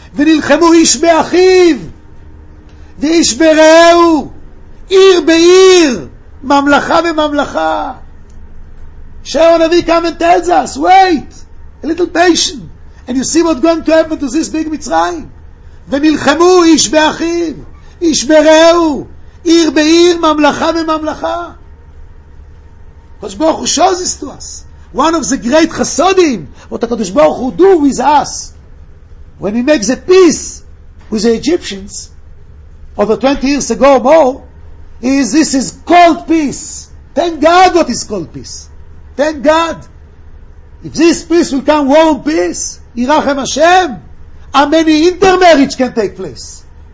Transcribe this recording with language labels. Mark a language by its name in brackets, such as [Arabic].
[Hebrew] Venilchemu Ish Be'achiv, Ve'ish Be'reu, עיר בעיר, ממלכה וממלכה. [English] שאול הנביא come and tells us, wait, a little patient, and you see what going to happen to this big מצרים. [Hebrew] ונלחמו איש באחיו, איש ברעהו, עיר בעיר, ממלכה וממלכה. [English] הקדוש ברוך הוא shows this to us. One of the great chassodim, what the הקדוש ברוך הוא do with us, when he makes a peace with the Egyptians, over 20 years ago or more, is this is called peace. Thank God what is called peace. Thank God. If this peace will come, warm peace, Yirachem Hashem, how many intermarriage can take place?